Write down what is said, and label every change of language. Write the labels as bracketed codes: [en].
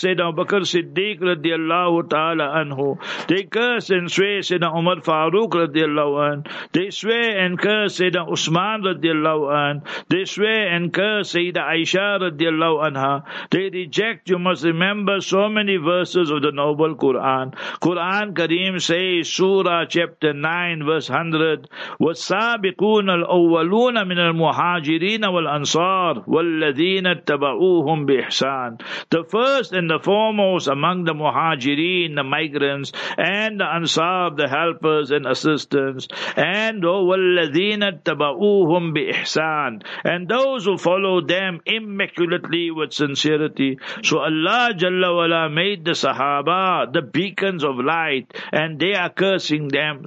[en] Sayyidina Abu Bakr Siddiq radiallahu ta'ala anhu. They curse and swear Sayyidina Umar Farooq radiallahu anhu. They swear and curse Sayyidina Usman radiallahu anhu. They swear and curse Sayyidina Aisha radiallahu anha. They reject, you must remember, so many verses of the noble Quran. Quran Kareem says, Surah chapter 9 verse 100, [ar] وَالسَّابِقُونَ الْأَوَّلُونَ مِنَ الْمُحَاجِرِينَ وَالْأَنصَارِ وَالَّذِينَ اتَّبَعُوهُمْ بِإِحْسَانِ. [en] The first and the foremost among the muhajirin, the migrants, and the ansar, the helpers and assistants, and [ar] وَالَّذِينَ اتَّبَعُوهُمْ بِإِحْسَانِ, [en] and those who follow them immaculately with sincerity. So Allah Jalla Wala made the sahaba the beacons of light, and they are cursing them.